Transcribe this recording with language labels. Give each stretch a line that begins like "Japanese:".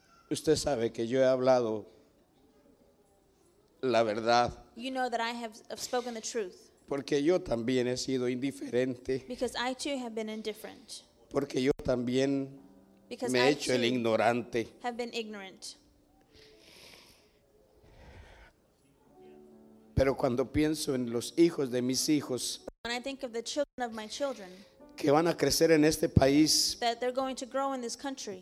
Spanish: Usted sabe que yo he hablado la verdad.
English: You know that I have spoken the truth.
Spanish: Porque yo también he sido indiferente.
English: Because I too have been indifferent.
Spanish: Porque yo también
English: because
Spanish: me he hecho el ignorante.
English: Have been ignorant.
Spanish: Pero cuando pienso en los hijos de mis hijos,
English: when I think of the children of my children,
Spanish: que van a crecer en este país,
English: that they're going to grow in this country,